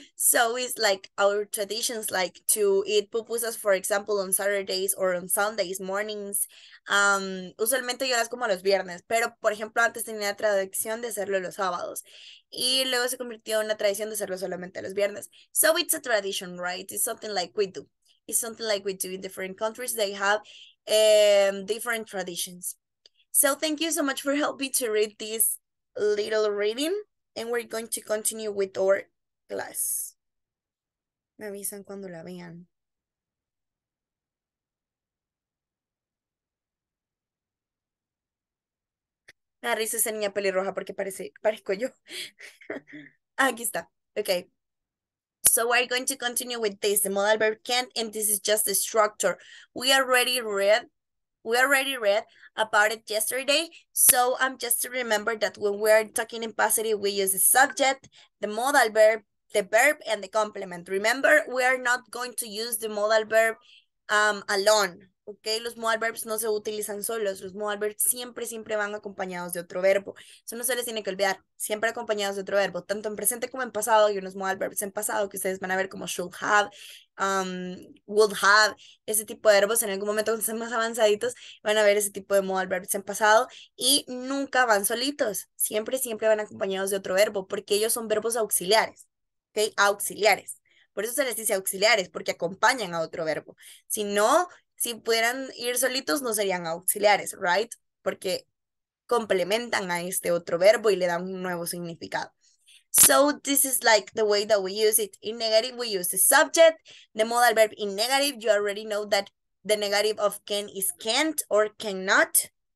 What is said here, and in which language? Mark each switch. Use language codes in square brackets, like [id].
[en] So it's like our traditions, like to eat pupusas, for example, on Saturdays or on Sundays mornings. [es] Usualmente yo las como los viernes, pero por ejemplo antes tenía la tradición de hacerlo los sábados y luego se convirtió en una tradición de hacerlo solamente los viernes. [en] So it's a tradition, right? It's something like we do. It's something like we do in different countries. They have different traditions. So thank you so much for helping to read this little reading and we're going to continue with our class. [es] Me avisan cuando la vean. Me da risa esa niña pelirroja porque parezco yo. Aquí está. [en] Okay. So we're going to continue with this. The modal verb can, and this is just the structure. We already read about it yesterday. So I'm just to remember that when we're talking in positive, we use the subject, the modal verb, the verb, and the complement. Remember, we are not going to use the modal verb alone. [es] Okay, los modal verbs no se utilizan solos. Los modal verbs siempre, siempre van acompañados de otro verbo. Eso no se les tiene que olvidar. Siempre acompañados de otro verbo, tanto en presente como en pasado. Y unos modal verbs en pasado que ustedes van a ver como should have, would have, ese tipo de verbos. En algún momento cuando estén más avanzaditos van a ver ese tipo de modal verbs en pasado. Y nunca van solitos. Siempre, siempre van acompañados de otro verbo porque ellos son verbos auxiliares. Okay, auxiliares. Por eso se les dice auxiliares, porque acompañan a otro verbo. Si no... Si pudieran ir solitos, no serían auxiliares, [en] right? [es] Porque complementan a este otro verbo y le dan un nuevo significado. [en] So, this is like the way that we use it. In negative, we use the subject. The modal verb in negative, you already know that the negative of can is can't or cannot.